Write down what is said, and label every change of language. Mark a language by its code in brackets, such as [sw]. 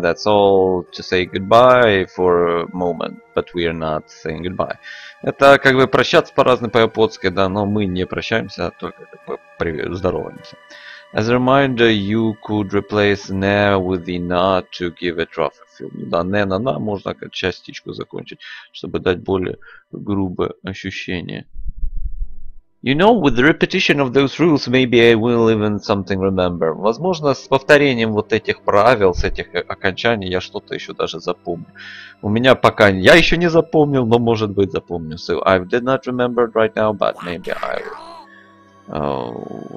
[en] That's all to say goodbye for a moment. But we are not saying goodbye. [ru] Это как бы прощаться по-разному по-японски, да, но мы не прощаемся, а только как бы привет, здороваемся. [en] As a reminder, you could replace ne with the na to give a rougher feel. [ru] Да, ne на na можно как частичку закончить, чтобы дать более грубое ощущение. [en] You know, with the repetition of those rules, maybe I will even something remember. [ru] Возможно, с повторением вот этих правил, с этих окончаний, я что-то еще даже запомню. У меня пока... Я еще не запомнил, но, может быть, запомню. [en] So, I did not remember right now, but maybe I will.